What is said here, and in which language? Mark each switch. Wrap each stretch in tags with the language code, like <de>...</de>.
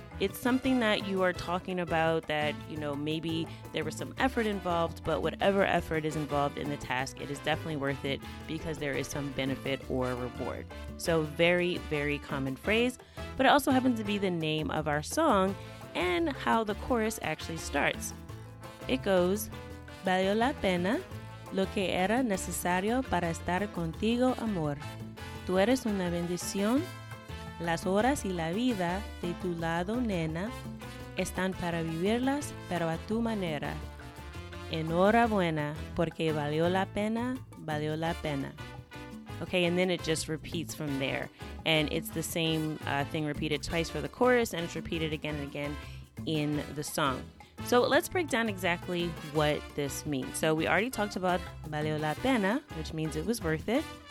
<en>It's something that you are talking about that, you know, maybe there was some effort involved, but whatever effort is involved in the task, it is definitely worth it because there is some benefit or reward. So very, very common phrase, but it also happens to be the name of our song and how the chorus actually starts. It goes,</en> <es>valió la pena lo que era necesario para estar contigo, amor. Tú eres una bendición. Las horas y la vida de tu lado, nena, están para vivirlas, pero a tu manera. Enhorabuena, porque valió la pena, valió la pena.</es> <en>Okay, and then it just repeats from there. And it's the same thing repeated twice for the chorus, and it's repeated again and again in the song. So let's break down exactly what this means. So we already talked about</en> <es>valió la pena,</es> <en>which means it was worth it.</en>